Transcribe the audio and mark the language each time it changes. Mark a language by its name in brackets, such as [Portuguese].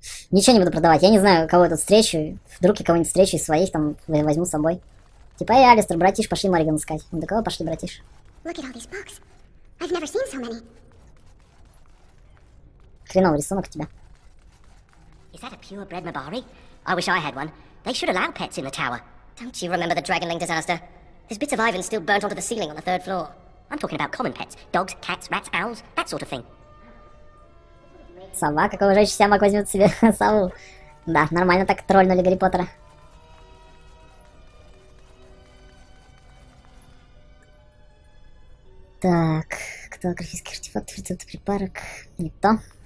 [Russian] Ничего не буду продавать. Я не знаю, кого я тут встречу. Вдруг я кого-нибудь встречу из своих, там, возьму с собой. Типа, эй, Алистер, братиш, пошли Морриган искать. Ну, до кого пошли, братиш? [English] I've never seen so many. [Russian] Хреновый рисунок у тебя. [English] Is that a purebred Mabari? I wish I had one. They should allow pets in the tower. Don't you remember the Dragonling disaster? There's bits of Ivan still burnt onto the ceiling on the third floor. I'm talking about common pets. Dogs, cats, rats, owls, that sort of thing. [Russian] Сова, какого же ещё маг возьмёт себе сову? Да, нормально так тролльнули Гарри Поттера. Так, кто графический артефакт, рецепт припарок? Никто.